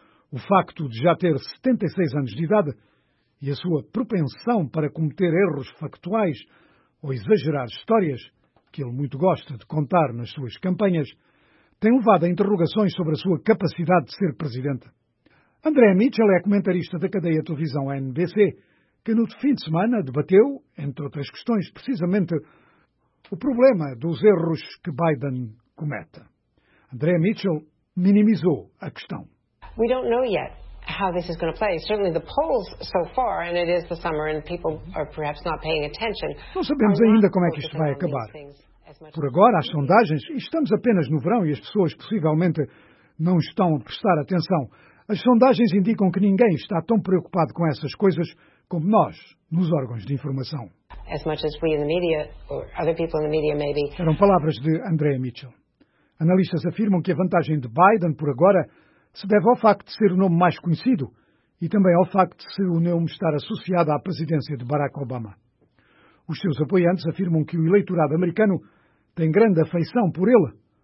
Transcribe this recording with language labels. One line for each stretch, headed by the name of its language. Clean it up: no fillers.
Portuguese: O facto de já ter 76 anos de idade e a sua propensão para cometer erros factuais ou exagerar histórias, que ele muito gosta de contar nas suas campanhas, tem levado a interrogações sobre a sua capacidade de ser presidente. André Mitchell é comentarista da cadeia de televisão NBC, que no fim de semana debateu, entre outras questões, precisamente o problema dos erros que Biden comete. André Mitchell minimizou a questão.
English: We don't know yet how this is going to play. Certainly the polls so far, and it is the summer and people are perhaps not paying attention.
Portuguese: Não sabemos ainda como é que isto vai acabar. Por agora, as sondagens, estamos apenas no verão e as pessoas possivelmente não estão a prestar atenção. As sondagens indicam que ninguém está tão preocupado com essas coisas como nós, nos órgãos de informação.
English: As much as we in the media, or other people in the media maybe.
Portuguese: Eram palavras de Andrea Mitchell. Analistas afirmam que a vantagem de Biden, por agora, se deve ao facto de ser o nome mais conhecido e também ao facto de ser o nome estar associado à presidência de Barack Obama. Os seus apoiantes afirmam que o eleitorado americano tem grande afeição por ele.